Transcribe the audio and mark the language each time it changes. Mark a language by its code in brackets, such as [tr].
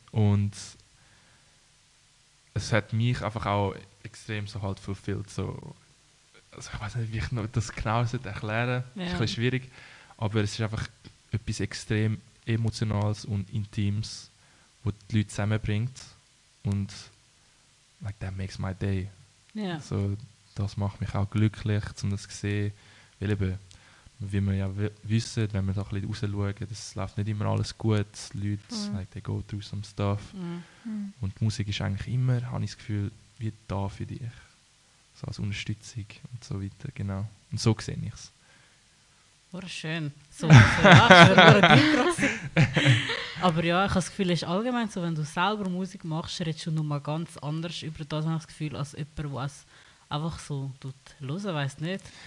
[de] Und es hat mich einfach auch extrem so halt fulfilled. So. Also ich weiß nicht, wie ich das genau erklären soll. Es ist ein bisschen schwierig. Aber es ist einfach etwas extrem Emotionales und Intimes, was die Leute zusammenbringt. Und [en] like, that makes my day. Yeah. [de] So, das macht mich auch glücklich, um das zu sehen. Weil eben, wie wir ja wissen, wenn wir da ein bisschen rausschauen, es läuft nicht immer alles gut. Die Leute, [en] like, they go through some stuff. Mm. [de] Und die Musik ist eigentlich immer, habe ich das Gefühl, wie da für dich. So als Unterstützung und so weiter, genau. Und so sehe ich es. War schön. So. Aber ja, ich habe das Gefühl, es ist allgemein so, wenn du selber Musik machst, redest du nochmal ganz anders über das, habe ich das Gefühl, als jemand, der es einfach so tut, hören, weiss nicht.